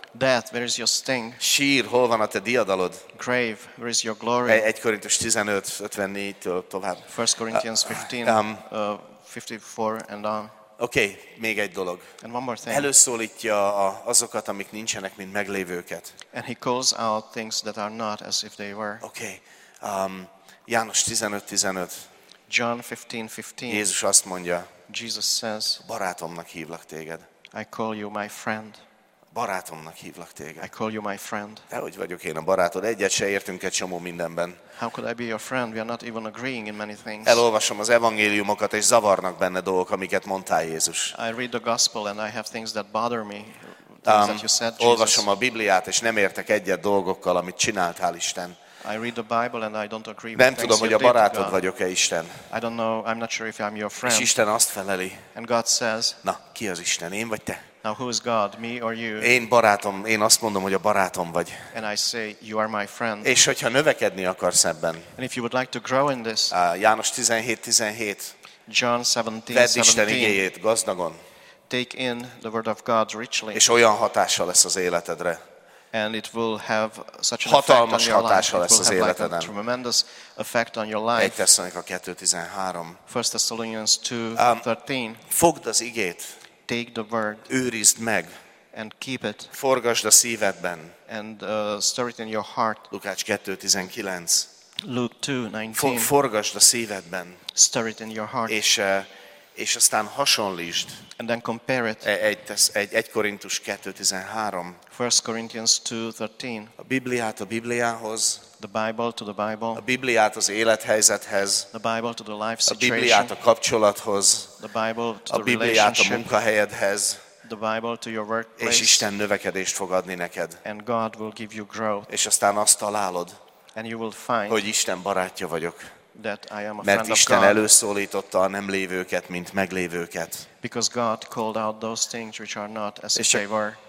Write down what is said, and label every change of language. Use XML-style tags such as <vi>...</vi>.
<en>Death, where is your sting?</en> <hu>Sír, hol van a te diadalod?</hu> <en>Grave, where is your glory?</en> <hu>1 Korintus 15:54-től tovább.</hu> <en>1 Corinthians 15, 54 and on.</en> <hu>Okay, még egy dolog.</hu> <en>And one more thing.</en> <hu>Előszólítja azokat, amik nincsenek, mint meglévőket.</hu> <en>And he calls out things that are not as if they were.</en> <hu>Okay. János 15:15.</hu> <en>John 15:15.</en> <hu>Jézus azt mondja.</hu> <en>Jesus says.</en> <hu>Barátomnak hívlak téged.</hu> <en>I call you my friend.</en> <hu>Barátomnak hívlak téged.</hu> <en>I call you my friend.</en> <hu>De hogy vagyok én a barátod? Egyet se értünk egy csomó mindenben.</hu> <en>How could I be your friend? We are not even agreeing in many things.</en> <hu>Elolvasom az evangéliumokat és zavarnak benne dolgok, amiket mondtál Jézus.</hu> <en>I read the gospel and I have things that bother me. That you said, Jesus.</en> <hu>Olvasom a Bibliát és nem értek egyet dolgokkal, amit csináltál Isten.</hu> <en>I read the Bible and I don't agree.</en> <hu>Nem tudom, hogy a barátod vagyok-e Isten.</hu> <en>I don't know. I'm not sure if I'm your friend.</en> <hu>És Isten azt feleli.</hu> <en>And God says.</en> <hu>Na, ki az Isten? Én vagy te?</hu> <en>Now who is God, me or you?</en> <hu>Én barátom, én azt mondom, hogy a barátom vagy.</hu> <en>And I say you are my friend.</en> <hu>És hogyha növekedni akarsz ebben.</hu> <en>And if you would like to grow in this.</en> <hu>János 17:17.</hu> <en>John 17:17.</en> <hu>Vedd Isten igéjét gazdagon.</hu> <en>Take in the word of God richly.</en> <hu>És olyan hatással lesz az életedre.</hu> <en>And it will have such an effect on your life.</en> <hu>Hatása lesz az életeden.</hu> <en>Like a tremendous effect on your life. 1 Thessalonica 2:13. 1 Thessalonians 2:13.</en> <hu>Fogd az igét.</hu> <en>Take the word.</en> <hu>Őrizd meg.</hu> <en>And keep it.</en> <hu>Forgasd a szívedben.</hu> <en>And stir it in your heart.</en> <hu>Lukács 2:19.</hu> <en>Luke 2:19.</en> <hu>Forgasd a szívedben.</hu> <en>Stir it in your heart.</en> <hu>És aztán hasonlítsd.</hu> <en>And then compare it.</en> <hu>1 Korintus 2:13.</hu> <en>1 Corinthians 2:13.</en> <hu>A Bibliát a Bibliához.</hu> <en>The Bible to the Bible.</en> <hu>A Bibliát az élethelyzethez.</hu> <en>The Bible to the life situation.</en> <hu>A Bibliát a kapcsolathoz.</hu> <en>The Bible to</en> <hu>a Bibliát a munkahelyedhez.</hu> <en>The Bible to your workplace.</en> <hu>És Isten növekedést fog adni neked.</hu> <en>And God will give you growth.</en> <hu>És aztán azt találod.</hu> <en>And you will find.</en> <hu>Hogy Isten barátja vagyok.</hu> <en>That I am a</en> <hu>mert</hu> <en>friend</en> <hu>Isten</hu> <en>of God.</en> <hu>Előszólította a nem lévőket, mint meglévőket.</hu> <en>Because God called out those things which are not as if they were.</en>